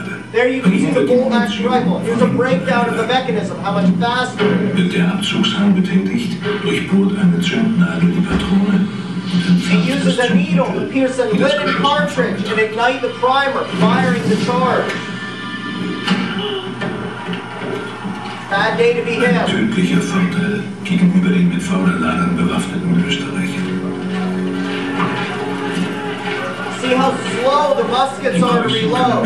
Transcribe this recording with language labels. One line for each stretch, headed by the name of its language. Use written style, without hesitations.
English: There you can see the bolt action rifle. Here's a breakdown of the mechanism, how much faster it is. He uses a needle to pierce a linen cartridge and ignite the primer, firing the charge. Bad day to be him.
German: Ein tödlicher Vorteil gegenüber den mit faulen Ladern bewaffneten Österreichern.
English: See how slow the muskets are to reload.